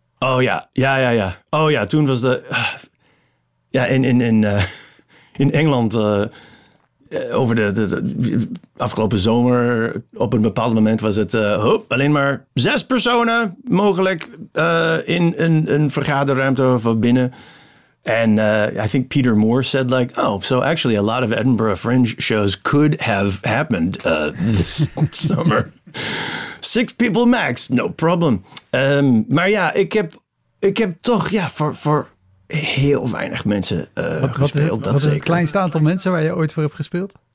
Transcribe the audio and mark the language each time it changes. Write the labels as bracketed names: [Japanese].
[Dutch] Oh ja, ja, ja, ja. Oh ja, toen was de... Ja, in Engeland over de afgelopen zomer op een bepaald moment was het alleen maar 6 personen mogelijk in een vergaderruimte of binnen. [English] En I think Peter Moore said like, oh, so actually a lot of Edinburgh Fringe shows could have happened this summer. 6 people max, no problem. [Dutch] Maar ja, ik heb toch ja voor heel weinig mensen gespeeld. Wat is het kleinste aantal mensen waar je ooit voor hebt gespeeld?